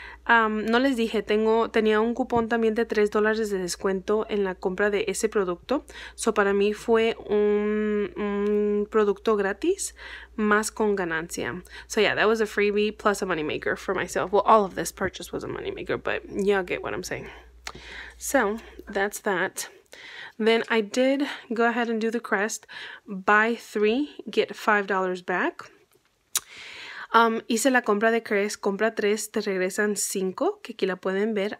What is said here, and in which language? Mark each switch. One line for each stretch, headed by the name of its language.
Spanish: No les dije, tenía un cupón también de $3 de descuento en la compra de ese producto. So para mí fue un producto gratis más con ganancia.
English: So yeah, that was a freebie plus a money maker for myself. Well, all of this purchase was a money maker, but y'all get what I'm saying. So that's that. Then I did go ahead and do the Crest. Buy three, get $5 back.
Spanish: Hice la compra de Crest, compra 3, te regresan 5, que aquí la pueden ver.